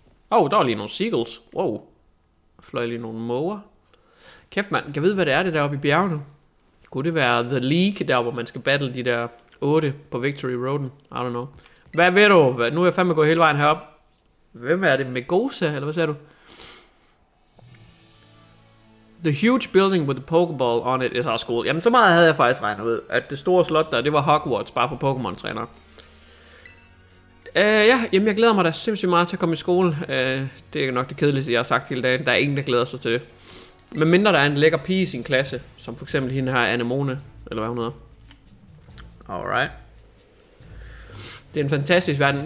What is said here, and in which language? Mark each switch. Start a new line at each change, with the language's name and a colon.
Danish: Der var lige nogle seagulls. Wow. Fløj lige nogle måger. Kæft, mand. Kan jeg vide, hvad det er, det der oppe i bjergene? Kunne det være The League, der hvor man skal battle de der 8 på Victory Roaden?
English: I don't know.
Danish: Hvad ved du? Nu er jeg fandme gået hele vejen herop. Hvem er det? Megosa, eller hvad sagde du?
English: The huge building with the Pokeball on it is our school.
Danish: Jamen, så meget havde jeg faktisk regnet ud, at det store slot der, det var Hogwarts, bare for Pokémon-trænere. Jeg glæder mig da sindssygt meget til at komme i skolen. Det er nok det kedeligste, jeg har sagt hele dagen. Der er ingen, der glæder sig til det. Men mindre der er en lækker pige i sin klasse, som for eksempel hende her Anemone, eller hvad hun hedder. Alright. Det er en fantastisk verden.